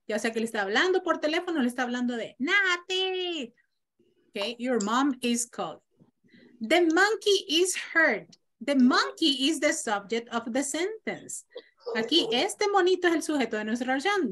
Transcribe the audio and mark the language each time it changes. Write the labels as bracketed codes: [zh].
[es] Ya sea que le está hablando por teléfono, le está hablando de Nati. [en] Okay, your mom is calling. The monkey is hurt. The monkey is the subject of the sentence. [es] Aquí, este monito es el sujeto de nuestra oración.